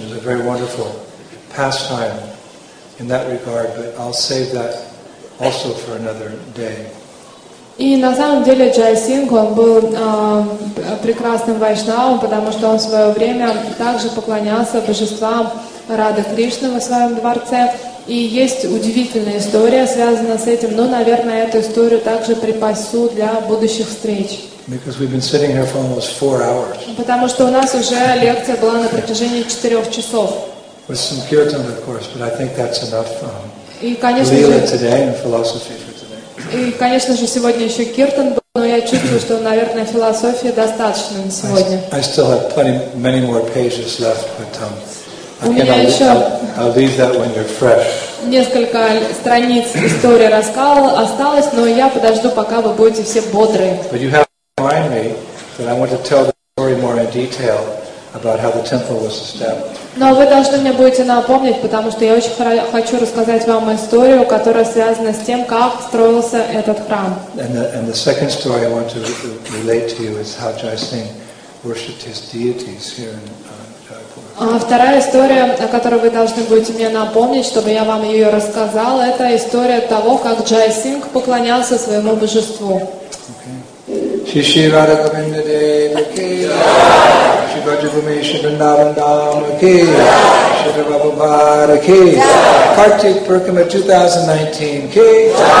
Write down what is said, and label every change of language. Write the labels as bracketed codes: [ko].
[en] It was a very wonderful pastime in that regard, but I'll save that also for another day. [ru] И на самом деле Джай Сингх, он был прекрасным вайшнавом, потому что он в свое время также поклонялся божествам Рады Кришны во своем дворце. И есть удивительная история, связанная с этим, но, наверное, эту историю также припасу для будущих встреч. [en] Because we've been sitting here for almost 4 hours. [ru] Потому что у нас уже лекция была на протяжении 4 часов. [en] With some kirtan, of course, but I think that's enough Leela today and philosophy for today. [ru] И, конечно же, сегодня еще киртан был, но я чувствую, что, наверное, философии достаточно на сегодня. [en] I still have plenty, many more pages left, but I'll leave that when you're fresh. [ru] Несколько страниц истории рассказала осталось, но я подожду, пока вы будете все бодры. [en] But you have to remind me that I want to tell the story more in detail about how the temple was established. [ru] Но вы должны мне будете напомнить, потому что я очень хочу рассказать вам историю, которая связана с тем, как строился этот храм. [en] And the second story I want to relate to you is how Jai Singh worshipped his deities here in [ru] Вторая история, о которой вы должны будете мне напомнить, чтобы я вам ее рассказал, это история того, как Джай Сингх поклонялся своему божеству. Шиши Радха Говинда Дева Ки, Шри Брадж Бхуми Шри Вриндаван Дама Ки, Шри Прабхупада Ки, Картик Пуркима 2019 Ки.